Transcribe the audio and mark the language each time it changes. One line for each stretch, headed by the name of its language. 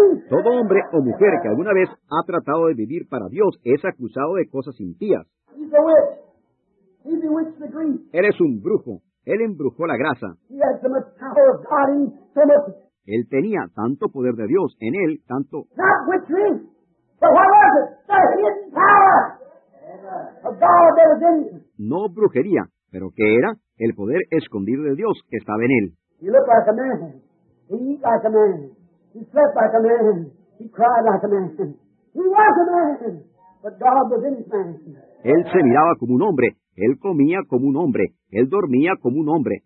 Spanish: Todo hombre o mujer que alguna vez ha tratado de vivir para Dios es acusado de cosas impías.
English: He's a witch. He bewitched the grease.
Spanish: Él es un brujo. Él embrujó la grasa.
English: He had so much power of God in so much.
Spanish: Él tenía tanto poder de Dios en él, tanto...
English: Not witchery, but what was it? The hidden power of God that was in him.
Spanish: No brujería. ¿Pero qué era? El poder escondido de Dios que estaba en él.
English: He looked like a man. He eat like a man. He slept like a man. He cried like a man. He was a man. But God was in his man.
Spanish: Él se miraba como un hombre. Él comía como un hombre. Él dormía como un hombre.